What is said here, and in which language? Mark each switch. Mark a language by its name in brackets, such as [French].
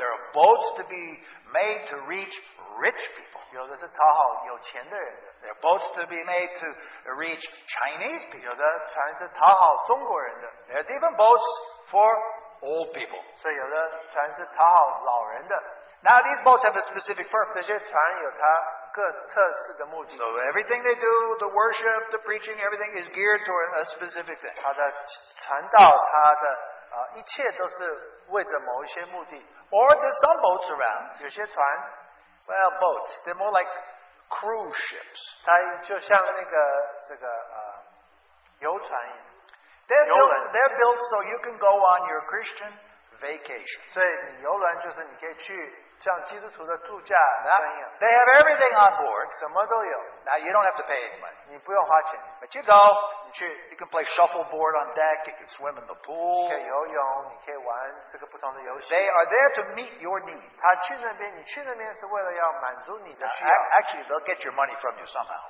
[English] there are boats to be made to reach rich people. [Chinese] 有的是讨好有钱的人的, [English] there are boats to be made to reach Chinese people. [Chinese] 有的船是讨好中国人的, [English] there's even boats for old people. [Chinese] 所以有的船是讨好老人的, [English] now these boats have a specific purpose. [Chinese] 这些船有它, [English] so everything they do, the worship, the preaching, everything is geared toward a specific thing. [Chinese] 他的传道,他的,一切都是为着某一些目的. [English] Or there's some boats around. [Chinese] 有些船, [English] well, boats, they're more like cruise ships. [Chinese] 它就像那个,这个,游船一样, [English] they're built so you can go on your Christian vacation. [Chinese] 所以游轮就是你可以去, [English] they have everything on board. [Chinese] 什么都有, [English] now you don't have to pay any money. [Chinese] 你不用花钱, [English] but you go. [Chinese] 你去, [English] you can play shuffleboard on deck. You can swim in the pool. [Chinese] 你可以游泳, 你可以玩这个不同的游戏, [English] they are there to meet your needs. [Chinese] 他去那边, 你去那边是为了要满足你的需要, [English] now, actually, they'll get your money from you somehow.